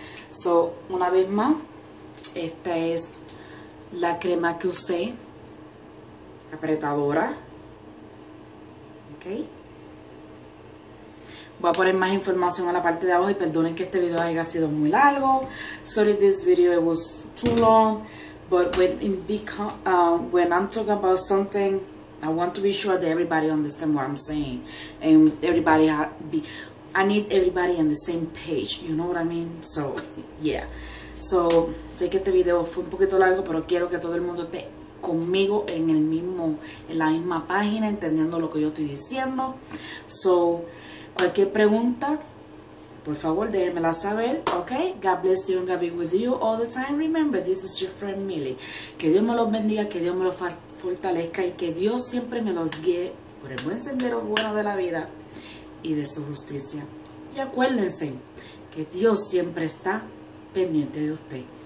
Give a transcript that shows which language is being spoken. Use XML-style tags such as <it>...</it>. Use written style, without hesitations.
<es>So, una vez más, esta es la crema que usé, apretadora. Okay. Voy a poner más información en la parte de abajo y perdonen que este video haya sido muy largo.</es> <en>Sorry, this video it was too long, but when I'm talking about something, I want to be sure that everybody understands what I'm saying, and everybody I need everybody on the same page. You know what I mean? So, yeah.</en> <es>So, sé que este video fue un poquito largo, pero quiero que todo el mundo esté conmigo en el mismo, en la misma página, entendiendo lo que yo estoy diciendo. So, cualquier pregunta, por favor, déjenmela saber, okay?</es> <en>God bless you and God be with you all the time. Remember, this is your friend Millie.</en> <es>Que Dios me los bendiga, que Dios me los fortalezca y que Dios siempre me los guíe por el buen sendero bueno de la vida y de su justicia. Y acuérdense que Dios siempre está pendiente de usted.</es>